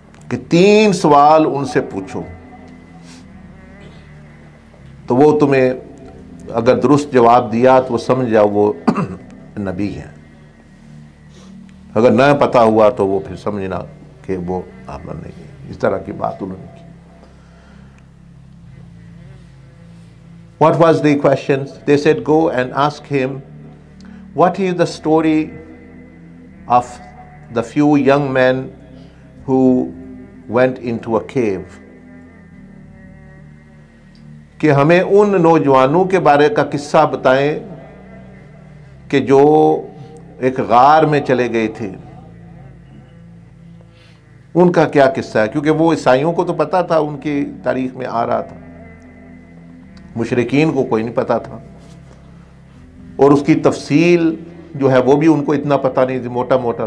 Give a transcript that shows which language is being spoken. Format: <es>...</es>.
<hi>कि तीन सवाल उनसे पूछो तो वो तुम्हें अगर दुरुस्त जवाब दिया तो वो समझ जाओ वो नबी हैं, अगर न पता हुआ तो वो फिर समझना कि वो आमन नहीं है। इस तरह की बात उन्होंने की।</hi> <en>What was the questions? They said, go and ask him, what is the story of the few young men who went into a cave?</en> <hi>कि हमें उन नौजवानों के बारे का किस्सा बताएं कि जो एक गार में चले गए थे, उनका क्या किस्सा है? क्योंकि वो ईसाइयों को तो पता था, उनकी तारीख में आ रहा था, मुशरिकीन को कोई नहीं पता था, और उसकी तफसील जो है वो भी उनको इतना पता नहीं थी, मोटा मोटा।</hi>